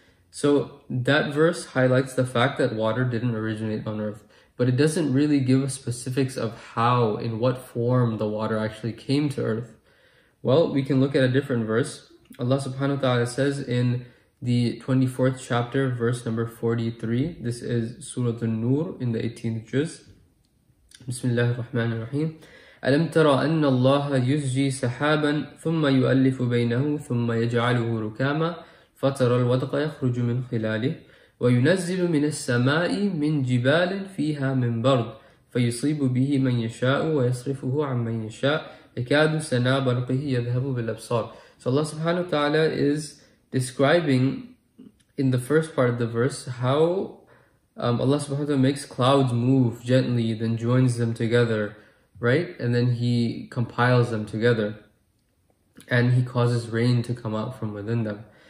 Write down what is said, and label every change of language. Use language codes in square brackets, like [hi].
[en] So that verse highlights the fact that water didn't originate on Earth, but it doesn't really give us specifics of how, in what form the water actually came to Earth. Well, we can look at a different verse. Allah subhanahu wa ta'ala says in the 24th chapter, verse number 43, this is Surah An-Nur in the 18th juz. [ar] بسم الله الرحمن الرحيم ألم ترى أن الله يسجي سحابا ثم يؤلف بينه ثم يجعله ركاما فترى الودق يخرج من خلاله وينزل من السماء من جبال فيها من برد فيصيب به من يشاء ويصرفه عن من يشاء يكاد سنا برقه يذهب بالأبصار. [en] So Allah subhanahu wa ta'ala is describing in the first part of the verse how Allah subhanahu wa ta'ala makes clouds move gently, then joins them together, right? And then He compiles them together. And He causes rain to come out from within them.